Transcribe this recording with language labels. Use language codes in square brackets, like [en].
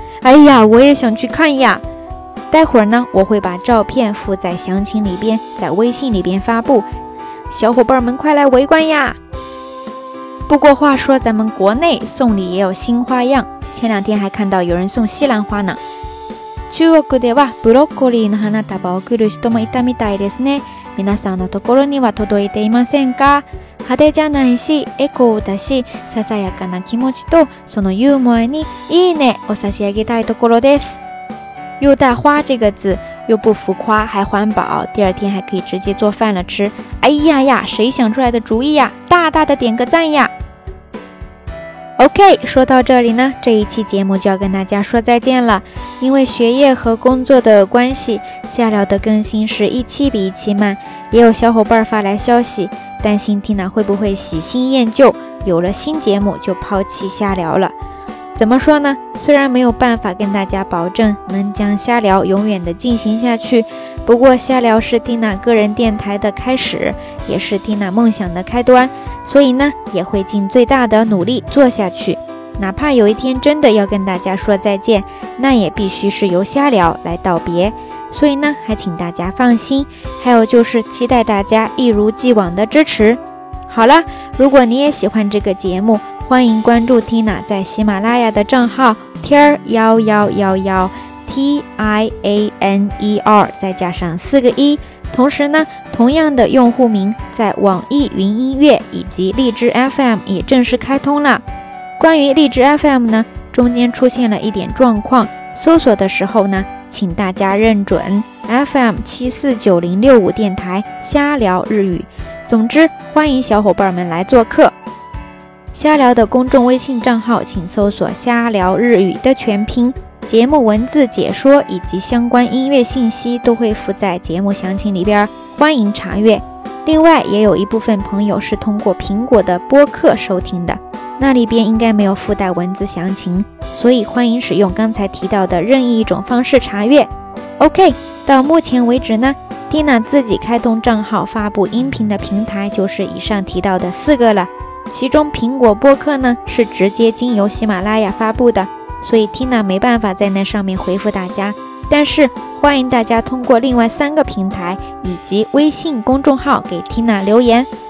[zh] 哎呀，我也想去看呀！待会儿呢，我会把照片附在详情里边，在微信里边发布，小伙伴们快来围观呀！不过话说，咱们国内送礼也有新花样，前两天还看到有人送西兰花呢。 [ja] 中国ではブロッコリーの花束を送る人もいたみたいですね。皆さんのところには届いていませんか？派手じゃないし、エコーだし、ささやかな気持ちとそのユーモアにいいねを差し上げたいところです。 [zh] 又带花这个字，又不浮夸，还环保，第二天还可以直接做饭了吃。哎呀呀，谁想出来的主意呀？大大的点个赞呀！ OK， 说到这里呢，这一期节目就要跟大家说再见了。因为学业和工作的关系，下聊的更新是一期比一期慢，也有小伙伴发来消息，担心Tina会不会喜新厌旧，有了新节目就抛弃下聊了。怎么说呢，虽然没有办法跟大家保证能将瞎聊永远的进行下去，不过瞎聊是 Tina 个人电台的开始，也是 Tina 梦想的开端，所以呢也会尽最大的努力做下去。哪怕有一天真的要跟大家说再见，那也必须是由瞎聊来道别，所以呢还请大家放心，还有就是期待大家一如既往的支持。好了，如果你也喜欢这个节目，欢迎关注 Tina 在喜马拉雅的账号 TIANER 再加上4个1，同时呢同样的用户名在网易云音乐以及荔枝 FM 也正式开通了。关于荔枝 FM 呢，中间出现了一点状况，搜索的时候呢请大家认准 FM749065 电台瞎聊日语。总之欢迎小伙伴们来做客。瞎聊的公众微信账号请搜索瞎聊日语的全拼，节目文字解说以及相关音乐信息都会附在节目详情里边，欢迎查阅。另外也有一部分朋友是通过苹果的播客收听的，那里边应该没有附带文字详情，所以欢迎使用刚才提到的任意一种方式查阅。 OK， 到目前为止呢，Tina 自己开通账号发布音频的平台就是以上提到的4个了，其中苹果播客呢是直接经由喜马拉雅发布的，所以 Tina 没办法在那上面回复大家，但是欢迎大家通过另外3个平台以及微信公众号给 Tina 留言。